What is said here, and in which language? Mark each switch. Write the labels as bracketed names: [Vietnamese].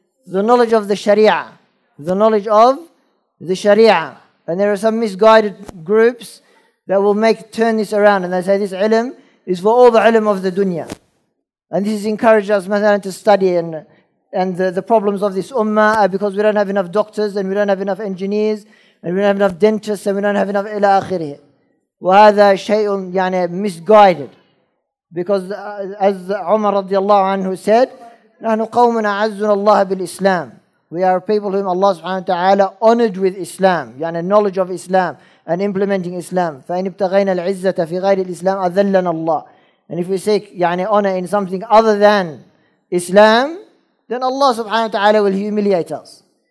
[English] The knowledge of the sharia. And there are some misguided groups that will turn this around, and they say this ilm is for all the ilm of the dunya. And this is encouraged us, mathalan, to study, and the problems of this ummah are because we don't have enough doctors, and we don't have enough engineers, and we don't have enough dentists, and we don't have enough ila akhirih. [Arabic] وَهَذَا شَيْءٌ يعني misguided. [English] Because as Umar radiallahu anhu said, [Arabic] نَحْنُ قَوْمٌ أَعَزُّنَ اللَّهَ بِالْإِسْلَامِ. [English] We are people whom Allah subhanahu wa ta'ala honored with Islam, يعني knowledge of Islam, and implementing Islam. [Arabic] فَإِنِ ابْتَغَيْنَا الْعِزَّةَ فِي غَيْرِ الْإِسْلَامِ أَذَلَّنَا اللَّهِ. [English] And if we seek يعني honor in something other than Islam, then Allah subhanahu wa ta'ala will humiliate us.